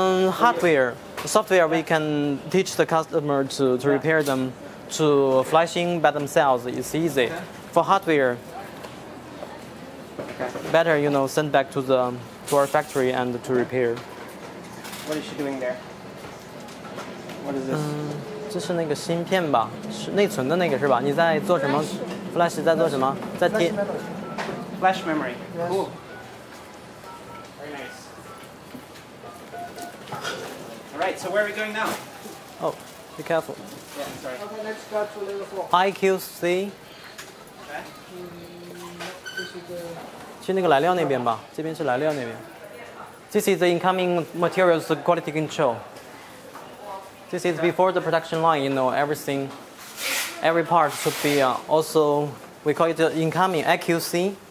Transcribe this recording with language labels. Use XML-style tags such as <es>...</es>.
<en>Hardware, software. Yeah. We can teach the customer to repair them, to flashing by themselves. It's easy. Okay. For hardware, better you know, send back to our factory and to repair. What is she doing there?</en> <zh>这是那个芯片吧，是内存的那个是吧？你在做什么 ？Flash 在做什么？在贴。</zh> <en>Flash memory. Cool. Very nice. All right. So where are we going now? Oh, be careful. Yeah, sorry. Okay, let's go to level 4. IQC. Okay.</en> <zh>去那个来料那边吧，这边是来料那边。</zh> <en>This is the incoming materials quality control. This is before the production line, you know, everything, every part should be also, we call it the incoming AQC,</en>